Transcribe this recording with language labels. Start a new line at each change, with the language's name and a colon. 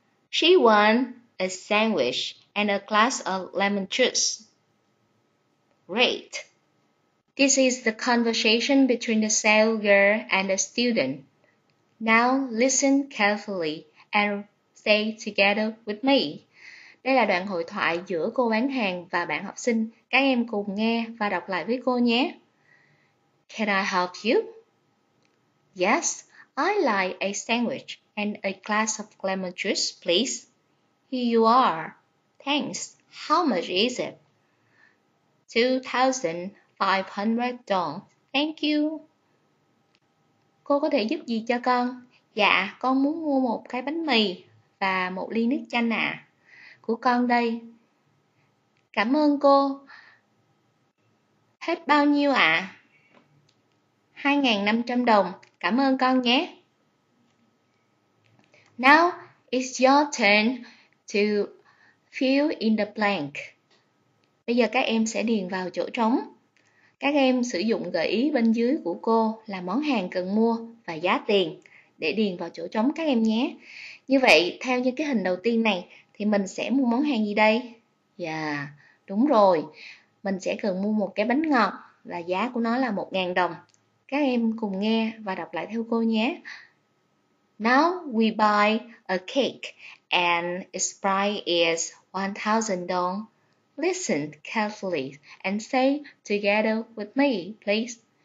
English: She wants a sandwich and a glass of lemon juice. Great. This is the conversation between the sales girl and the student. Now listen carefully and say together with me.
Vietnamese: Đây là đoạn hội thoại giữa cô bán hàng và bạn học sinh. Các em cùng nghe và đọc lại với cô nhé.
English: Can I help you? Yes, I'd like a sandwich and a glass of lemon juice, please. Here you are. Thanks. How much is it? $2,500. Thank you.
Vietnamese: Cô có thể giúp gì cho con? Dạ, con muốn mua một cái bánh mì và một ly nước chanh ạ. Của con đây. Cảm ơn cô. Hết bao nhiêu ạ? 2.500 đồng. Cảm ơn con nhé.
English: Now it's your turn to fill in the blank.
Vietnamese: Bây giờ các em sẽ điền vào chỗ trống. Các em sử dụng gợi ý bên dưới của cô là món hàng cần mua và giá tiền để điền vào chỗ trống các em nhé. Như vậy, theo như cái hình đầu tiên này, thì mình sẽ mua món hàng gì đây? Dạ, đúng rồi. Mình sẽ cần mua một cái bánh ngọt và giá của nó là 1.000 đồng. Các em cùng nghe và đọc lại theo cô nhé.
English: Now we buy a cake and its price is $1,000. Listen carefully and say together with me, please.